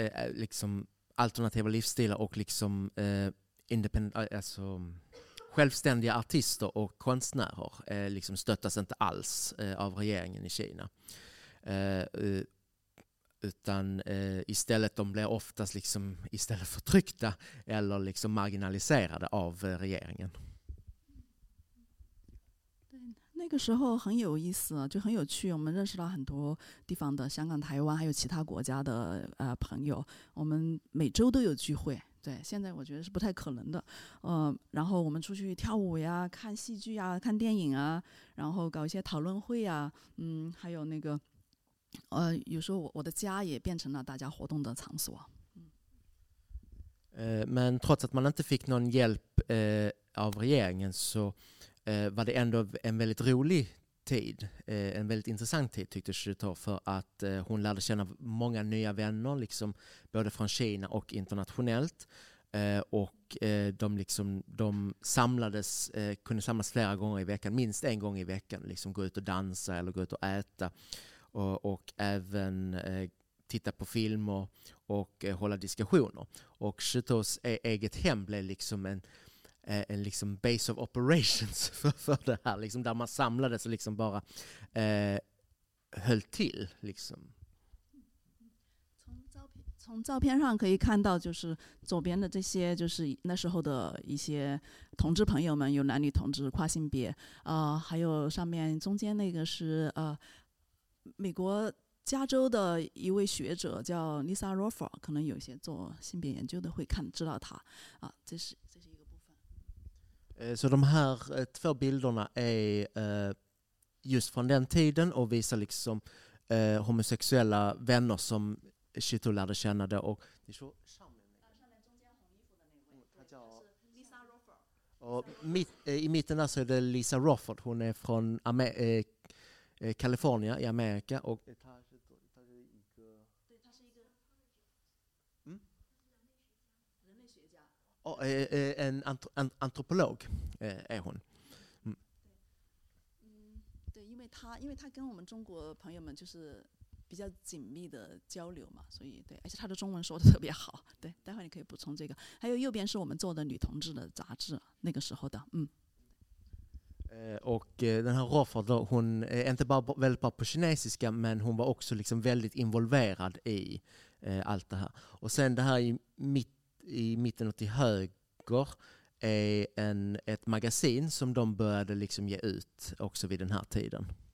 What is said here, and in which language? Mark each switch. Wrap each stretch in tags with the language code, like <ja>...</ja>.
<sv>Liksom alternativa livsstilar och liksom independent, alltså självständiga artister och konstnärer liksom stöttas inte alls av regeringen i Kina. Utan istället de blir oftast liksom istället förtryckta eller liksom marginaliserade av regeringen.</sv> <zh>那个时候很有意思，就很有趣，我们认识了很多地方的香港、台湾还有其他国家的朋友，我们每周都有聚会。对，现在我觉得是不太可能的，然后我们出去跳舞呀，看戏剧呀，看电影啊，然后搞一些讨论会呀，还有那个，有时候我的家也变成了大家活动的场所。</zh> <sv>Men trots att man inte fick någon hjälp av regeringen så var det ändå en väldigt rolig tid, en väldigt intressant tid tyckte Shutor, för att hon lärde känna många nya vänner liksom, både från Kina och internationellt, och de, liksom, de samlades, kunde samlas flera gånger i veckan, minst en gång i veckan, liksom gå ut och dansa eller gå ut och äta och även titta på filmer och hålla diskussioner. Och Shutors eget hem blev liksom en liksom</sv> <en>base of operations</en> <sv>för det här, liksom där man samlades och liksom bara höll till liksom.</sv> <zh>从照片上可以看到，就是左边的这些就是那时候的一些同志朋友们，有男女同志、跨性别，还有上面中间那个是美国加州的一位学者叫 Lisa Rofford， 可能有些做性别研究的会看知道他啊，这是一个部分。</zh> <sv>Så de här två bilderna är just från den tiden och visar liksom homosexuella vänner som Shito lärde känna det. Och ni såg i mitten där så är det Lisa Rofford. Hon är från California i Amerika. Och en antropolog är hon.</sv> <zh>对，因为他跟我们中国朋友们就是比较紧密的交流嘛，所以对，而且他的中文说的特别好。对，待会你可以补充这个。还有右边是我们做的女同志的杂志，那个时候的，</zh> <sv>Och den här Rofford, hon är inte bara väldigt bra på kinesiska, men hon var också liksom väldigt involverad i allt det här. Och sen det här i mitten och till höger är ett magasin som de började liksom ge ut också vid den här tiden.</sv>